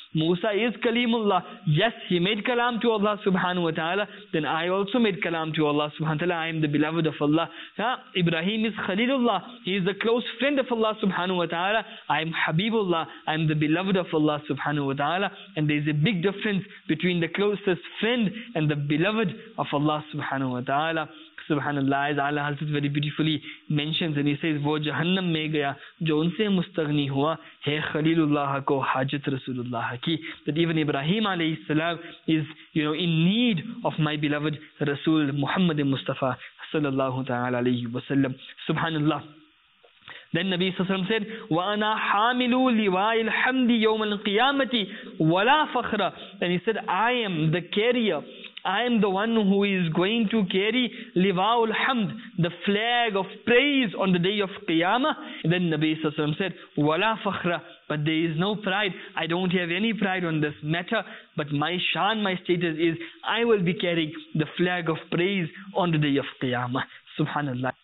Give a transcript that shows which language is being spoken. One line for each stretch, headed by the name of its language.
English: Musa is Kalimullah. Yes, he made kalam to Allah subhanahu wa ta'ala. Then I also made kalam to to Allah subhanahu wa ta'ala. I am the beloved of Allah. Ibrahim is Khalilullah. He is the close friend of Allah subhanahu wa ta'ala. I am Habibullah. I am the beloved of Allah subhanahu wa ta'ala. And there is a big difference between the closest friend and the beloved of Allah subhanahu wa ta'ala. Subhanallah, as Allah has it very beautifully mentions, and he says,
Urdu: وہ جہنم میں گیا جو ان سے مستغنی ہوا ہے خلیل اللہ کو حاجت رسول اللہ کی.
English: That even Ibrahim alayhi salam is, you know, in need of my beloved Rasul Muhammad Mustafa sallallahu ta'ala alayhi wa sallam. Subhanallah. Then Nabi sallallahu alayhi wa sallam said,
Arabic: وَأَنَا حَامِلُوا لِوَائِ الْحَمْدِ يَوْمَ الْقِيَامَةِ وَلَا فَخْرَ.
English: And he said, I am the carrier, I am the one who is going to carry liwa'ul hamd, the flag of praise on the day of Qiyamah. Then Nabi Sallallahu Alaihi Wasallam said,
Arabic: wala fakhra,
English: but there is no pride. I don't have any pride on this matter, but my shan, my status is, I will be carrying the flag of praise on the day of Qiyamah. Subhanallah.